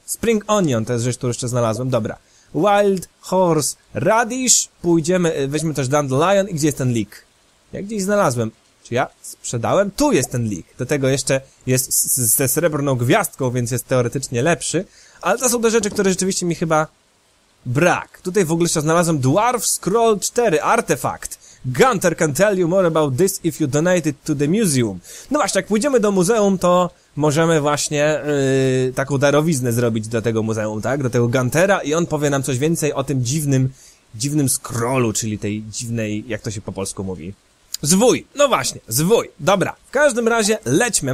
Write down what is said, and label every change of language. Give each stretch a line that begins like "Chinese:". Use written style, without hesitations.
Polish: Spring Onion, to jest rzecz, którą jeszcze znalazłem. Dobra. Wild Horse Radish, pójdziemy, weźmy też Dandelion i gdzie jest ten Leek? Ja gdzieś znalazłem. Czy ja sprzedałem? Tu jest ten Leek. Do tego jeszcze jest ze srebrną gwiazdką, więc jest teoretycznie lepszy. Ale to są te rzeczy, które rzeczywiście mi chyba... Brak. Tutaj w ogóle jeszcze znalazłem Dwarf Scroll 4, artefakt.
English: Gunter can tell you more about this if you donate it to the museum.
Polish: No właśnie, jak pójdziemy do muzeum, to możemy właśnie taką darowiznę zrobić do tego muzeum, tak? Do tego Guntera, i on powie nam coś więcej o tym dziwnym scrollu, czyli tej dziwnej, jak to się po polsku mówi. Zwój, no właśnie, zwój. Dobra, w każdym razie lećmy.